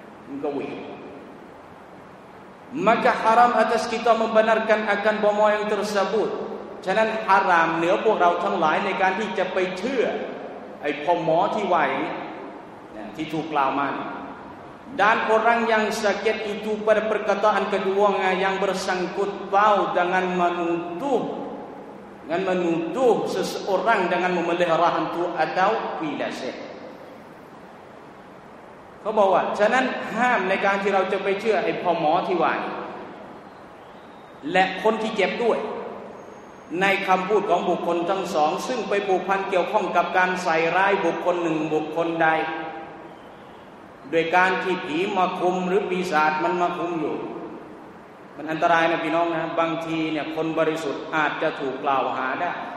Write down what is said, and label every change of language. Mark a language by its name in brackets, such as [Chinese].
[Malay] Mung ka weedMaka haram atas kita membenarkan akan bomo yang tersebut. [Thai] ฉะนั้นฮารามเหนือพวกเราทั้งหลายในการที่จะไปเชื่อไอ้พ่อหมอที่ว่าอย่างนี้ที่เ ที่ถูกกล่าวมา [Malay] Dan orang yang sakit itu pada perkataan kedua yang bersangkut paut dengan menuduh seseorang dengan memelihara hantu atau pilasih. [Thai] เขาบอกว่าฉะนั้นห้ามในการที่เราจะไปเชื่อไอ้พ่อหมอที่ว่าและคนที่เจ็บด้วยในคำพูดของบุคคลทั้งสองซึ่งไปผูกพันเกี่ยวข้องกับการใส่ร้ายบุคคลหนึ่งบุคคลใดโดยการที่ผีมาคุมหรือปีศาจมันมาคุมอยู่มันอันตรายนะพี่น้องนะบางทีเนี่ยคนบริสุทธิ์อาจจะถูกกล่าวหาได้